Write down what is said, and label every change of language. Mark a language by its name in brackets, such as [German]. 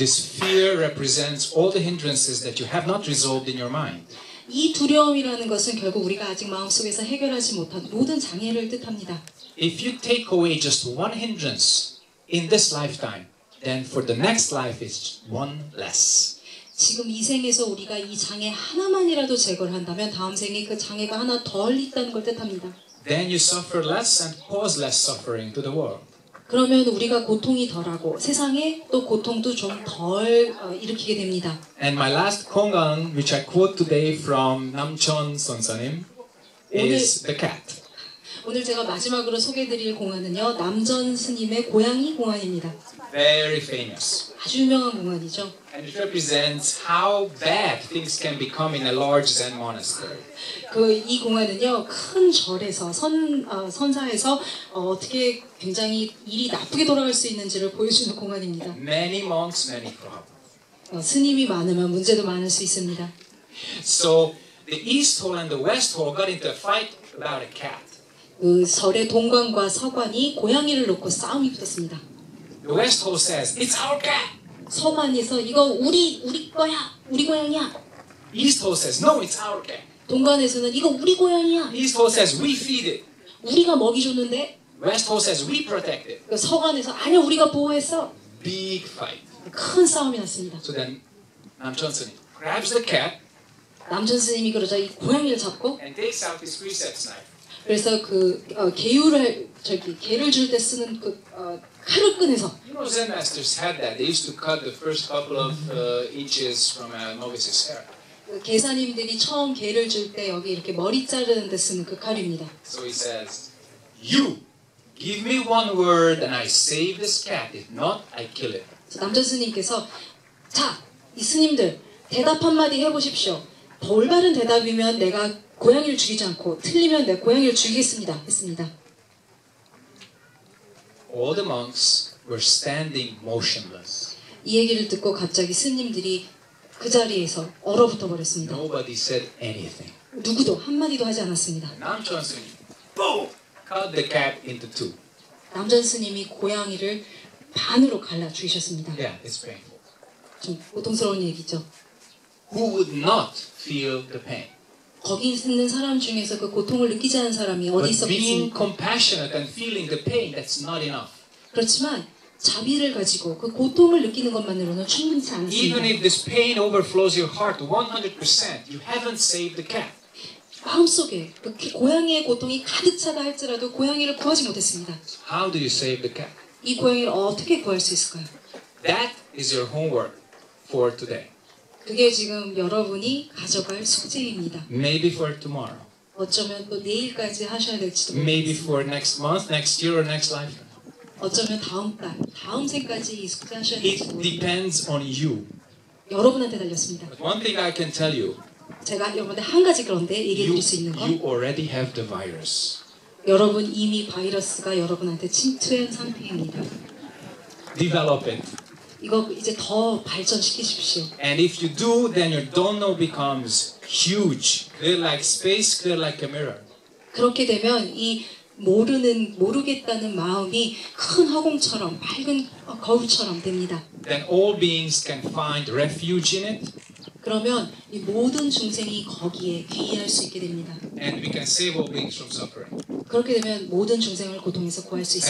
[English] This fear represents all the hindrances that you have not resolved in your mind. [Korean] 이 두려움이라는 것은 결국 우리가 아직 마음속에서 해결하지 못한 모든 장애를 뜻합니다. [English] If you take away just one hindrance in this lifetime, then for the next life is one less. [Korean] 지금 이 생에서 우리가 이 장애 하나만이라도 제거를 한다면 다음 생에 그 장애가 하나 덜 있다는 걸 뜻합니다. [English] Then you suffer less and cause less suffering to the world. [Korean] 그러면 우리가 고통이 덜하고 세상에 또 고통도 좀 덜 일으키게 됩니다. [English] And my last Kongan, which I quote today from Namchon Sonsanim, is the cat. [Korean] 오늘 제가 마지막으로 소개해드릴 공안은요, 남전 스님의 고양이 공안입니다. [English] Very famous. [Korean] 아주 유명한 공안이죠. [English] And it represents how bad things can become in a large Zen monastery. [Korean] 그 이 공안은요, 큰 절에서 선사에서 어떻게 굉장히 일이 나쁘게 돌아갈 수 있는지를 보여주는 공안입니다. [English] Many monks, many problems. [Korean] 스님이 많으면 문제도 많을 수 있습니다. [English] So the East Hall and the West Hall got into a fight about a cat. [Korean] 그 절의 동관과 서관이 고양이를 놓고 싸움이 붙었습니다. [English] The West Hall says, "It's our cat." [Korean] 서관에서 이거 우리 거야, 우리 고양이야. [English] East Hall says, "No, it's our cat." [Korean] 동관에서는 이거 우리 고양이야. [English] East Hall says, "We feed it." [Korean] 우리가 먹이 줬는데. [English] West Hall says, "We protect it." [Korean] 그 서관에서 아니야, 우리가 보호했어. [English] Big fight. [Korean] 큰 싸움이 났습니다. [English] So then, 남전 스님 grabs the cat. [Korean] 남전 스님이 그러자 이 고양이를 잡고. [English] And takes out his precepts knife. [Korean] 그래서 그 개유를 저기 개를 줄 때 쓰는 그 칼을 꺼내서. [English] You know, Zen masters had that. They used to cut the first couple of inches from a novice's hair. [Korean] 개사님들이 처음 개를 줄 때 여기 이렇게 머리 자르는 데 쓰는 그 칼입니다. [English] So he says, "You give me one word and I save this cat. If not, I kill it." [Korean] 남전 스님께서 자, 이 스님들 대답 한 마디 해보십시오. 올바른 대답이면 내가 고양이를 죽이지 않고 틀리면 내 고양이를 죽이겠습니다. 했습니다. [English] All the monks were standing motionless. [Korean] 이 얘기를 듣고 갑자기 스님들이 그 자리에서 얼어붙어 버렸습니다. [English] Nobody said anything. [Korean] 누구도 한 마디도 하지 않았습니다. [English] 남전 스님, boom, cut the cat into two. [Korean] 남전 스님이 고양이를 반으로 갈라 죽이셨습니다. [English] Yeah, it's painful. [Korean] 좀 고통스러운 얘기죠. [English] Who would not feel the pain? [Korean] 거기 있는 사람 중에서 그 고통을 느끼지 않은 사람이 어디 있었겠습니까? [English] But being compassionate and feeling the pain, that's not enough. [Korean] 그렇지만 자비를 가지고 그 고통을 느끼는 것만으로는 충분치 않습니다. [English] Even if this pain overflows your heart 100%, you haven't saved the cat. [Korean] 마음속에 그 고양이의 고통이 가득 차다 할지라도 고양이를 구하지 못했습니다. [English] How do you save the cat? [Korean] 이 고양이를 어떻게 구할 수 있을까요? [English] That is your homework for today. [Korean] 그게 지금 여러분이 가져갈 숙제입니다. [English] Maybe for tomorrow. [Korean] 어쩌면 또 내일까지 하셔야 될지도 모르겠어요. [English] Maybe for next month, next year, or next life. [Korean] 어쩌면 다음 달, 다음 생까지 이 숙제 하셔야 될지 모르겠어요. [English] It depends on you. [Korean] 여러분한테 달렸습니다. [English] But one thing I can tell you. [Korean] 제가 여러분한테 한 가지 그런데 얘기해 드릴 수 있는 건 [English] You already have the virus. [Korean] 여러분 이미 바이러스가 여러분한테 침투한 상태입니다. [English] Develop it. [Korean] 이거 이제 더 발전시키십시오. [English] And if you do, then your don't know becomes huge, clear like space, clear like a mirror. [Korean] 그렇게 되면 이 모르는 모르겠다는 마음이 큰 허공처럼 밝은 거울처럼 됩니다. [English] Then all beings can find refuge in it. [Korean] 그러면 이 모든 중생이 거기에 귀의할 수 있게 됩니다. [English] And we can save all beings from suffering. [Korean] 그렇게 되면 모든 중생을 고통에서 구할 수 있습니다.